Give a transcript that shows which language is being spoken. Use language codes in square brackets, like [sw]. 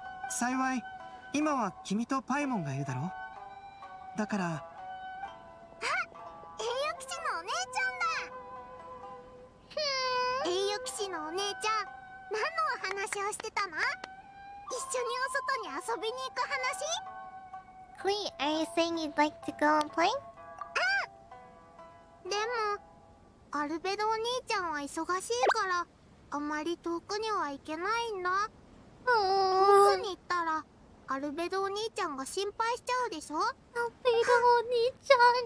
[ja] 幸い今は君とパイモンがいるだろう。だから、あ、栄誉騎士のお姉ちゃんだ。栄誉騎士のお姉ちゃん、何のお話をしてたの？一緒にお外に遊びに行く話？ [en] クリー、are you saying you'd like to go and play? [ja] あ、でもアルベドお兄ちゃんは忙しいからあまり遠くには行けないんだ。遠くに行ったらアルベドお兄ちゃんが心配しちゃうでしょ。アルベドお兄ちゃん、